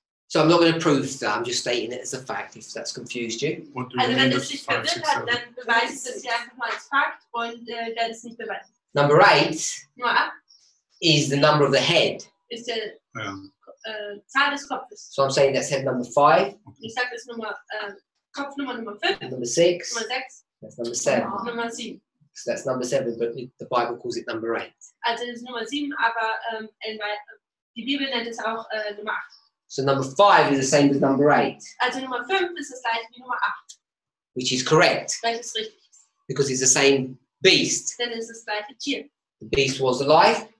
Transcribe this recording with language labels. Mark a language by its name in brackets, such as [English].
[English] So I'm not going to prove that, I'm just stating it as a fact, if that's confused you. [German] Also wenn es sich verwirrt hat, dann beweise ich das hier einfach mal als Fakt und werde es nicht beweisen. [English] Number 8 is the number of the head. [German] Ist der Zahl des Kopfes. [English] So I'm saying that's head number 5. [German] Ich sage das Nummer, Kopf Nummer 5. [English] Number 6. [German] Nummer 6. [English] That's number 7. [German] Nummer 7. [English] So that's number 7, but the Bible calls it number 8. [German] Also das ist Nummer 7, aber die Bibel nennt es auch Nummer 8. [English] So number 5 is the same as number 8. [German] Also Nummer 5 ist das gleiche wie Nummer 8. [English] Which is correct. [German] Welches ist richtig. [English] Because it's the same beast. [German] Denn es ist das gleiche Tier. [English] The beast was alive.